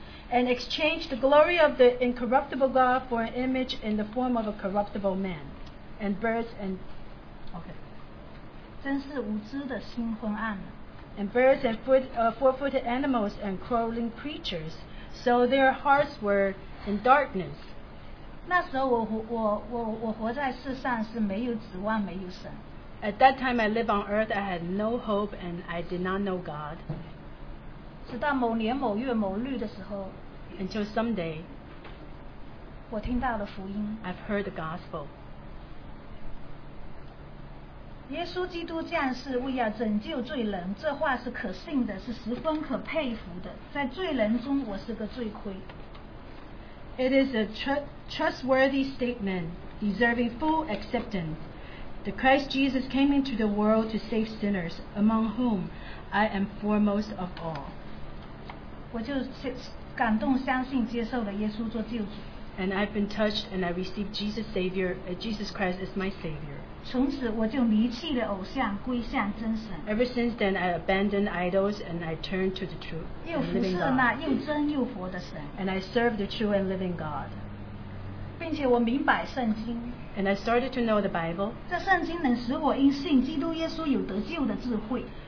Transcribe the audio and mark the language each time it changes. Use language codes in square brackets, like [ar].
[en] And exchange the glory of the incorruptible God for an image in the form of a corruptible man and birds and okay. [zh] 真是无知的心昏暗了。 [en] And birds and four-footed animals and crawling creatures, so their hearts were in darkness. [zh] 那时候我活在世上是没有指望，没有神。 [en] At that time I lived on earth, I had no hope and I did not know God. [zh] 直到某年某月某日的时候 [en] ，Until someday, [zh] 我听到了福音。 [en] I've heard the gospel. [zh] 耶稣基督降世为要拯救罪人，这话是可信的，是十分可佩服的。在罪人中，我是个罪魁。 [en] It is a trustworthy statement, deserving full acceptance. The Christ Jesus came into the world to save sinners, among whom I am foremost of all. [zh] 我就感动相信接受了耶稣做救主。 [en] And I've been touched, and I received Jesus Savior. Jesus Christ is my Savior. [zh] 从此我就离弃了偶像，归向真神。 [en] Ever since then, I abandoned idols and I turned to the true and living God. [zh] 又服侍那又真又活的神。 [en] And I served the true and living God. [zh] 并且我明白圣经。 [en] And I started to know the Bible. [zh] 这圣经能使我因信基督耶稣有得救的智慧。